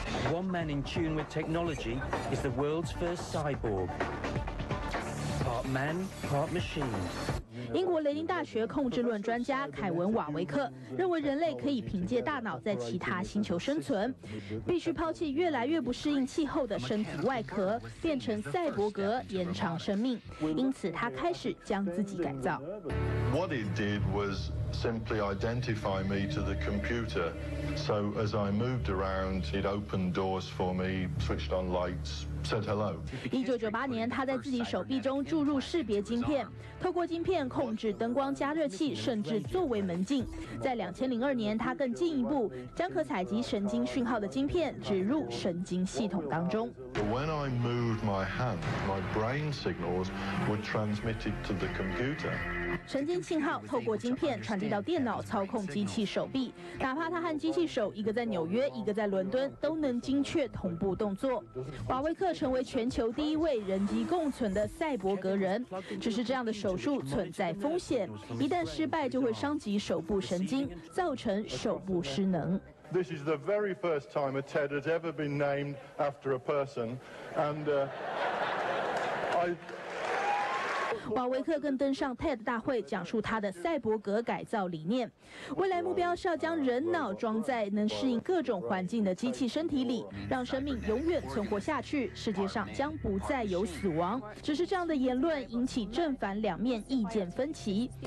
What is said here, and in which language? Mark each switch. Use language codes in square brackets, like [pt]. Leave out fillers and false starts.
[en] One man in tune with technology is the world's first cyborg. Part man, part machine. [zh] 英国雷丁大学控制论专家凯文·瓦维克认为，人类可以凭借大脑在其他星球生存，必须抛弃越来越不适应气候的身体外壳，变成赛博格，延长生命。因此，他开始将自己改造。 [en] What it did was simply identify me to the computer. So as I moved around, it opened doors for me, switched on lights. [zh] 1998年，他在自己手臂中注入识别晶片，透过晶片控制灯光、加热器，甚至作为门禁。在2002年，他更进一步，将可采集神经讯号的晶片植入神经系统当中。 [en] When I moved my hand, my brain signals were transmitted to the computer. [zh] 神经信号透过晶片传递到电脑操控机器手臂，哪怕他和机器手一个在纽约一个在伦敦，都能精确同步动作。瓦维克成为全球第一位人机共存的赛博格人，只是这样的手术存在风险，一旦失败就会伤及手部神经，造成手部失能。 [en] This is the very first time a TED has ever been named after a person, and I... [zh] 瓦维克更登上 TED 大会，讲述他的赛博格改造理念。未来目标是要将人脑装在能适应各种环境的机器身体里，让生命永远存活下去，世界上将不再有死亡。只是这样的言论引起正反两面意见分歧。